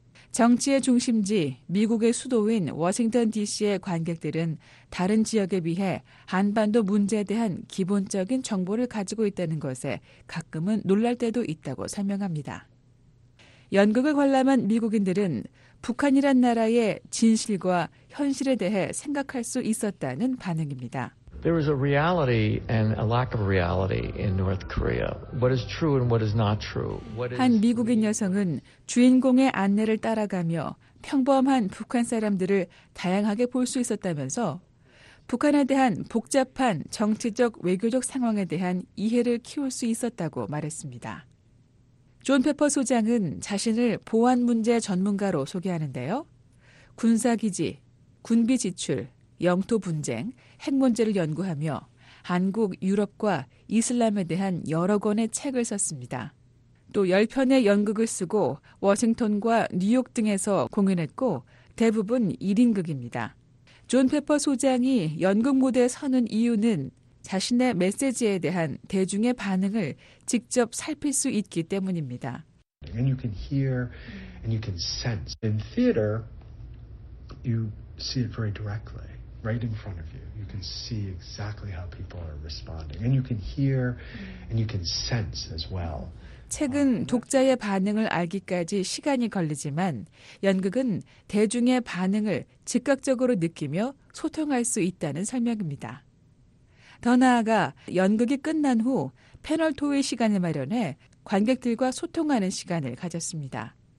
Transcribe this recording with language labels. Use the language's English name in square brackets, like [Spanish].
[Korean] 정치의 중심지 미국의 수도인 워싱턴 DC의 관객들은 다른 지역에 비해 한반도 문제에 대한 기본적인 정보를 가지고 있다는 것에 가끔은 놀랄 때도 있다고 설명합니다. 연극을 관람한 미국인들은 북한이란 나라의 진실과 현실에 대해 생각할 수 있었다는 반응입니다. [English] There is a reality and a lack of reality in North Korea. What is true and what is not true? [Korean] 한 미국인 여성은 주인공의 안내를 따라가며 평범한 북한 사람들을 다양하게 볼 수 있었다면서 북한에 대한 복잡한 정치적 외교적 상황에 대한 이해를 키울 수 있었다고 말했습니다. 존 페퍼 소장은 자신을 보안 문제 전문가로 소개하는데요. 군사기지, 군비 지출, 영토 분쟁, 핵 문제를 연구하며 한국, 유럽과 이슬람에 대한 여러 권의 책을 썼습니다. 또 10편의 연극을 쓰고 워싱턴과 뉴욕 등에서 공연했고 대부분 1인 극입니다. 존 페퍼 소장이 연극 무대에 서는 이유는 자신의 메시지에 대한 대중의 반응을 직접 살필 수 있기 때문입니다. [English] And you can hear and you can sense. In theater, you see it very directly, right in front of you. You can see exactly how people are responding. And you can hear and you can sense as well. [Korean] 책은 독자의 반응을 알기까지 시간이 걸리지만 연극은 대중의 반응을 즉각적으로 느끼며 소통할 수 있다는 설명입니다. 더 나아가 연극이 끝난 후 패널 토의 시간을 마련해 관객들과 소통하는 시간을 가졌습니다.